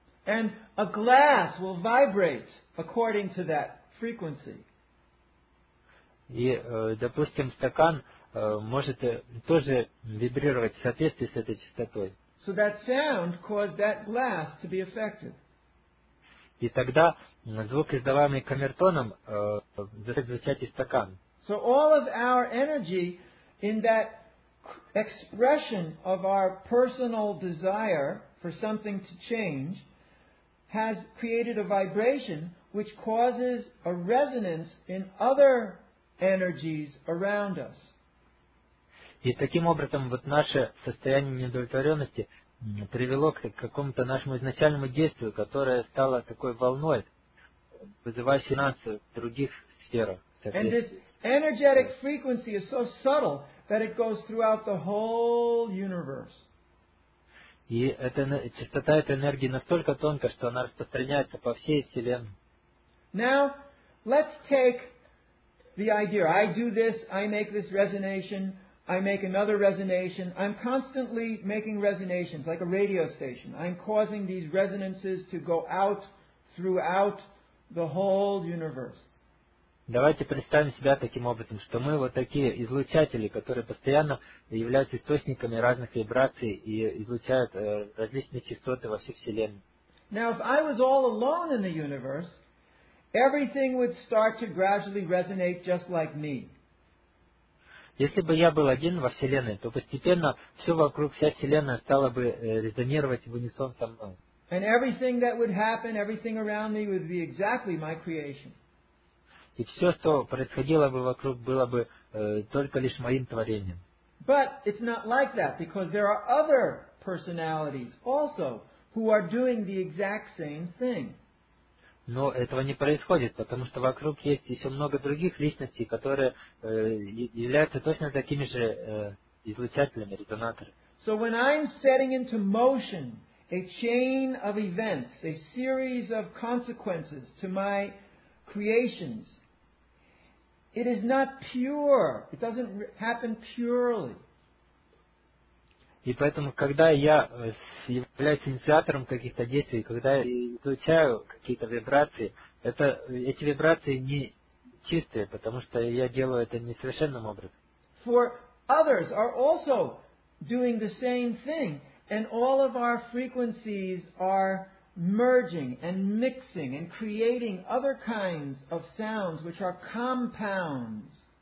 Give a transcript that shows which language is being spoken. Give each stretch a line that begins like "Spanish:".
English: And a glass will vibrate according to that frequency.
Russian: И, допустим, стакан может тоже вибрировать в соответствии с этой частотой.
English: So that sound caused that glass to be affected.
Russian: И тогда звук, издаваемый камертоном, заставит звучать и стакан.
English: So all of our energy in that expression of our personal desire for something to change has created a vibration which causes a resonance in other energies around us.
Russian: И таким образом вот наше состояние неудовлетворенности привело к какому-то нашему изначальному действию, которое стало такой волной, вызывающей резонансы в других сферах.
English: And this energetic frequency is so subtle that it goes throughout the whole universe.
Russian: И эта частота этой энергии настолько тонкая, что она распространяется по всей Вселенной.
English: Now, let's take the idea. I do this, I make this resonation, I make another resonation. I'm constantly making resonations, like a radio station. I'm causing these resonances to go out throughout the whole universe.
Russian: Давайте представим себя таким образом, что мы вот такие излучатели, которые постоянно являются источниками разных вибраций и излучают различные частоты во всю Вселенную.
English: Now, if I was all alone in the universe, everything would start to gradually resonate just like me.
Russian: Если бы я был один во Вселенной, то постепенно все вокруг, вся Вселенная стала бы резонировать в унисон со мной.
English: And everything that would happen, everything around me would be exactly my creation.
Russian: И все, что происходило бы вокруг, было бы только лишь моим творением.
English: But it's not like that, because there are other personalities also who are doing the exact same thing.
Russian: Но этого не происходит, потому что вокруг есть еще много других личностей, которые являются точно такими же излучателями, резонаторами.
English: So when I'm setting into motion a chain of events, a series of consequences to my creations, it is not pure. It doesn't happen purely.
Russian: И поэтому, когда я являюсь инициатором каких-то действий, когда я излучаю какие-то вибрации, эти вибрации не чистые, потому что я делаю это не совершенным образом.
English: For others are also doing the same thing, and all of our frequencies are merging and mixing and creating other kinds of sounds which are compounds.